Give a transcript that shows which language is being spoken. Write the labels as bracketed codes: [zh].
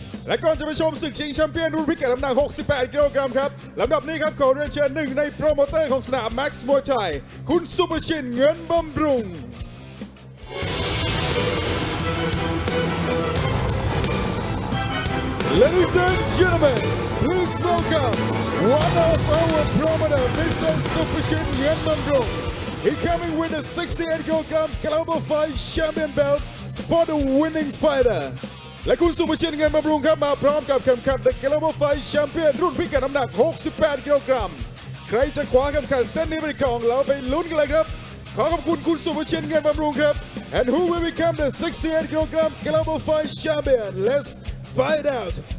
[th] และก่อนจะไปชมศึกชิงแชมเปี้ยนรุ่นพิกัดน้ำหนัก68กิโลกรัมครับลำดับนี้ครับขอเรียนเชิญหนึ่งในโปรโมเตอร์ของสนาม Max Muay Thai คุณซุปเปอร์ชินเงินบำรุง [en] Ladies and gentlemen, please welcome one of our promoter, Mr. Superchin Nguyen Bam Rung. He coming with a 68 kilogram Global Fight Champion belt for the winning fighter. [th] และคุณสุภชินเงินบำรุงครับมาพร้อมกับเข็มขัด The Global Fight Champion รุ่นพิกัดน้ำหนัก68กิโลกรัมใครจะคว้าเข็มขัดเส้นนี้ไปครองเราไปลุ้นกันเลยครับขอขอบคุณคุณสุภชินเงินบำรุงครับ [en] And who will become the 68 กิโลกรัม Global Fight Champion Let's find out